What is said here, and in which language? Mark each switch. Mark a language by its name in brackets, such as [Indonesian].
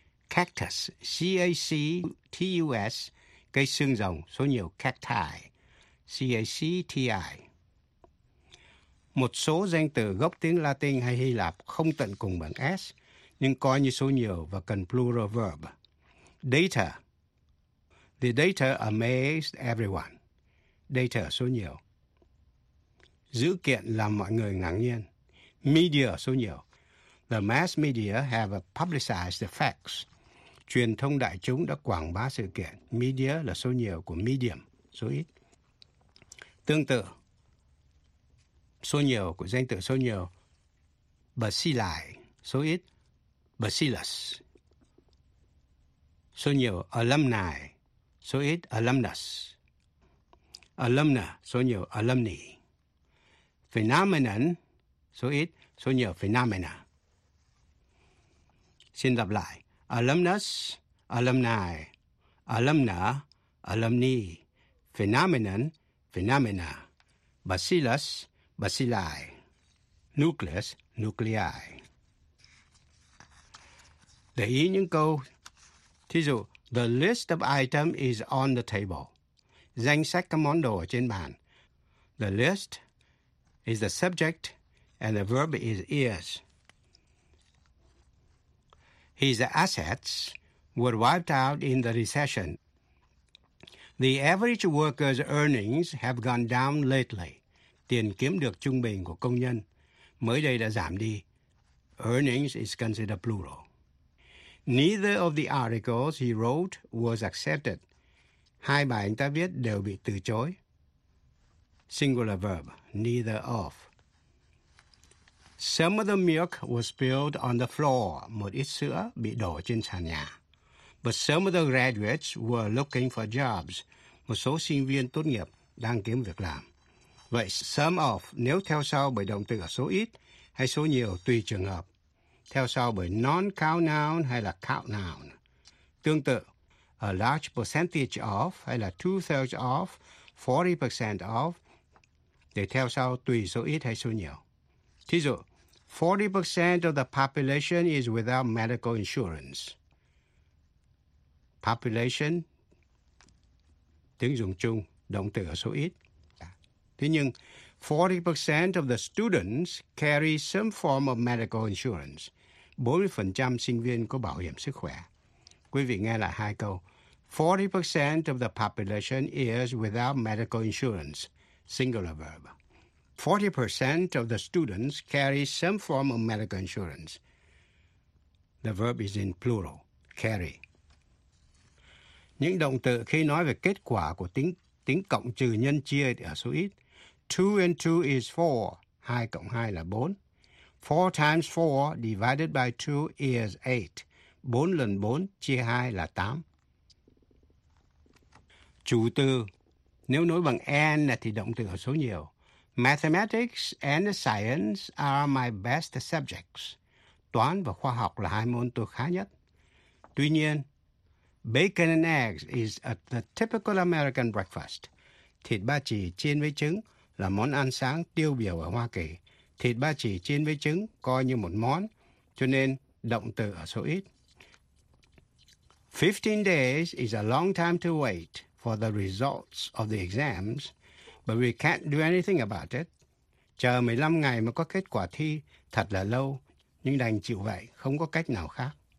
[Vietnamese] Cactus, C-A-C-T-U-S, cây xương rồng, số nhiều, cacti, C-A-C-T-I. Một số danh từ gốc tiếng Latin hay Hy Lạp không tận cùng bằng S, nhưng coi như số nhiều và cần plural verb. [English] Data. The data amazed everyone. [Vietnamese] Data số nhiều. Dữ kiện làm mọi người ngạc nhiên. Media số nhiều. [English] The mass media have publicized the facts. [Vietnamese] Truyền thông đại chúng đã quảng bá sự kiện. Media là số nhiều của medium, số ít. Tương tự, số nhiều của danh từ số nhiều. Basilai, số ít. Bacillus. Số nhiều alumni, số ít alumnus. Alumna, số nhiều alumni. Phenomenon, số ít, số nhiều phenomena. Xin lặp lại. Alumnus, alumni, alumna, alumni, phenomenon, phenomena, bacillus, bacilli, nucleus, nuclei. Để ý những câu, thí dụ, [English] the list of items is on the table. [Vietnamese] Danh sách các món đồ ở trên bàn. [English] The list is the subject and the verb is is. His assets were wiped out in the recession. The average worker's earnings have gone down lately. [Vietnamese] Tiền kiếm được trung bình của công nhân mới đây đã giảm đi. [English] Earnings is considered plural. Neither of the articles he wrote was accepted. [Vietnamese] Hai bài anh ta viết đều bị từ chối. [English] Singular verb, neither of. Some of the milk was spilled on the floor. [Vietnamese] Một ít sữa bị đổ trên sàn nhà. [English] But some of the graduates were looking for jobs. [Vietnamese] Một số sinh viên tốt nghiệp đang kiếm việc làm. Vậy, some of, nếu theo sau bởi động từ ở số ít hay số nhiều tùy trường hợp. Theo sau bởi non-count noun hay là count noun. Tương tự, a large percentage of hay là two-thirds of, 40% of, để theo sau tùy số ít hay số nhiều. Thí dụ, [English] 40% of the population is without medical insurance. [Vietnamese] Population, tiếng dùng chung, động từ ở số ít. Thế nhưng, [English] 40% of the students carry some form of medical insurance. [Vietnamese] 40% sinh viên có bảo hiểm sức khỏe. Quý vị nghe lại hai câu. [English] 40% of the population is without medical insurance. Singular verb. 40% of the students carry some form of medical insurance. The verb is in plural, carry. [Vietnamese] Những động từ khi nói về kết quả của tính cộng trừ nhân chia ở số ít. [English] 2 and 2 is 4. [Vietnamese] 2 cộng 2 là 4. [English] 4 times 4 divided by 2 is 8. [Vietnamese] 4 lần 4 chia 2 là 8. Chủ từ, nếu nối bằng and thì động từ ở số nhiều. [English] Mathematics and science are my best subjects. [Vietnamese] Toán và khoa học là hai môn tôi khá nhất. Tuy nhiên, [English] bacon and eggs is the typical American breakfast. [Vietnamese] Thịt ba chỉ chiên với trứng là món ăn sáng tiêu biểu ở Hoa Kỳ. Thịt ba chỉ chiên với trứng coi như một món, cho nên động từ ở số ít. [English] 15 days is a long time to wait for the results of the exams. But we can't do anything about it. [Vietnamese] Chờ 15 ngày mới có kết quả thi thật là lâu, nhưng đành chịu vậy, không có cách nào khác.